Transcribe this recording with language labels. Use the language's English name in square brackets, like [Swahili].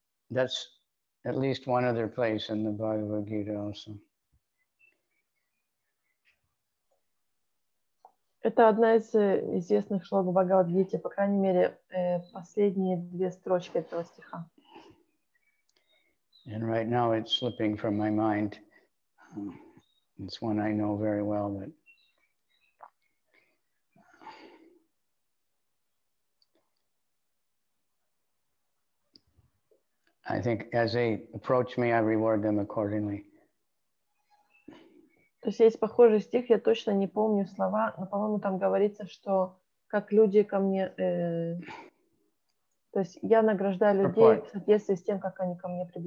[English] That's at least one other place in the Bhagavad Gita also. [Russian] Это одна из известных шлок в Бхагавад-гите, по крайней мере, последние две строчки этого стиха. [English] And right now it's slipping from my mind. It's one I know very well, but I think as they approach me, I reward them accordingly. [Russian] То есть есть похожий стих, я точно не помню слова, но, по-моему, там говорится, что как люди ко мне, то есть я награждаю людей в соответствии с тем, как они ко мне